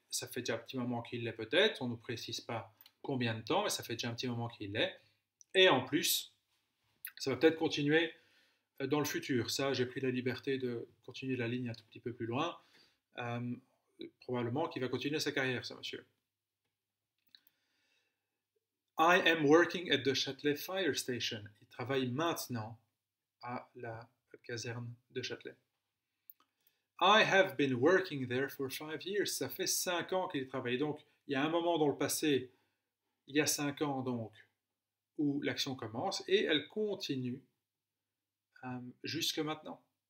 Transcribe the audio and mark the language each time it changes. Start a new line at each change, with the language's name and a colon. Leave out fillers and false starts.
French: Ça fait déjà un petit moment qu'il l'est peut-être. On ne nous précise pas combien de temps, mais ça fait déjà un petit moment qu'il l'est. Et en plus, ça va peut-être continuer dans le futur. Ça, j'ai pris la liberté de continuer la ligne un tout petit peu plus loin. Probablement qu'il va continuer sa carrière, ce monsieur.
English: I am working at the Châtelet Fire Station.
French: Il travaille maintenant à la caserne de Châtelet.
English: I have been working there for 5 years.
French: Ça fait 5 ans qu'il travaille. Donc, il y a un moment dans le passé, il y a 5 ans donc, où l'action commence et elle continue jusque maintenant.